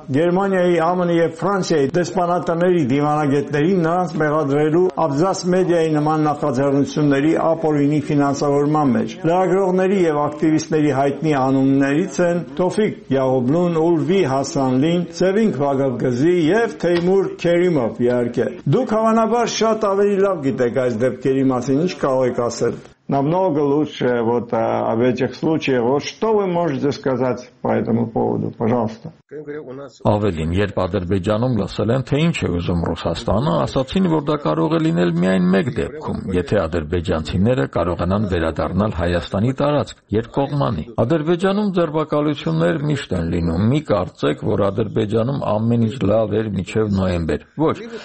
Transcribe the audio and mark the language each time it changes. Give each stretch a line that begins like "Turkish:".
Armenian: Գերմանիայի, ԱՄՆ-ի և Ֆրանսիայի դեսպանատների դիվանագետներին նրանց մեղադրելու Աբզաս մեդիայի նման նախաձեռնությունների ապօրինի ֆինանսավորման մեջ։ Լրագրողների և ակտիվիստների հայտնի անուններից են Տոֆիկ Յաղոբլուն, Ուլվի Հասանլին, Սևինգ Վագավգզի և Թեյմուր Քերիմով, իհարկե։ Դուք հավանաբար շատ ավելի լավ գիտեք այս դեպքերի մասին, ինչ կարող եք ասել։
Russian: Намного лучше вот об этих случаях. Вот что вы можете сказать по этому поводу, пожалуйста.
Armenian: Ավելին, երբ Ադրբեջանում լսել են, թե ինչ է ուզում Ռուսաստանը, ասացին, որ դա կարող է լինել միայն մեկ դեպքում, եթե ադրբեջանցիները կարողանան վերադառնալ Հայաստանի տարածք երկկողմանի։ Ադրբեջանում ձերբակալություններ միշտ են լինում։ Մի կարծեք, որ Ադրբեջանում ամեն ինչ լավ էր մինչև նոյեմբեր։ Ոչ,